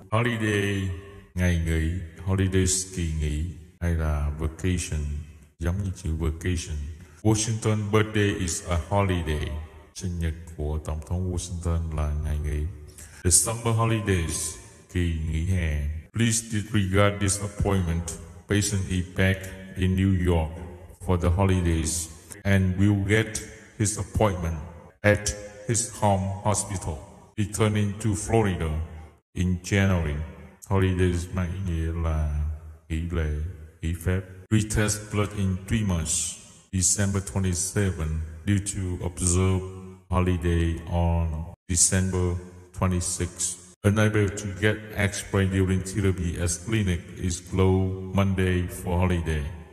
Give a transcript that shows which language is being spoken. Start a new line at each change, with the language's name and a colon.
Vietnamese: Holiday, ngày nghỉ, holidays, kỳ nghỉ, hay là vacation, giống như chữ vacation. Washington birthday is a holiday. Sinh nhật của Tổng thống Washington là ngày nghỉ.
English: The summer holidays,
Vietnamese: kỳ nghỉ hè.
English: Please disregard this appointment. Patient is back in New York for the holidays and will get his appointment at his home hospital. Returning to Florida in January.
Vietnamese: Holidays mang ý nghĩa là nghỉ lễ, nghỉ phép.
English: Retest blood in 3 months, December 27, due to observed holiday on December 26. Unable to get X-ray during therapy as clinic is closed Monday for holiday.